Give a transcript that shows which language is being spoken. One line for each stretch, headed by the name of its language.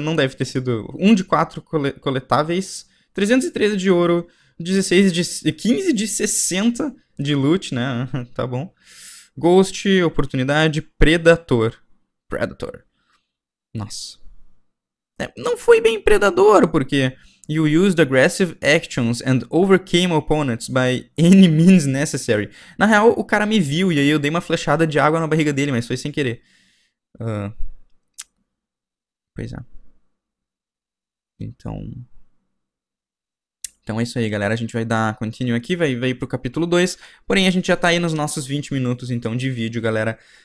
Portuguese: Não deve ter sido 1 de 4 coletáveis. 313 de ouro. 15 de 60 de loot, né? Tá bom. Ghost, oportunidade, predator. Predator. Nossa. Não foi bem predador, porque...
English: You used aggressive actions and overcame opponents by any means necessary.
Portuguese: Na real, o cara me viu e aí eu dei uma flechada de água na barriga dele, mas foi sem querer. Pois é. Então é isso aí, galera. A gente vai dar continue aqui, vai ir pro capítulo 2. Porém, a gente já tá aí nos nossos 20 minutos, então, de vídeo, galera.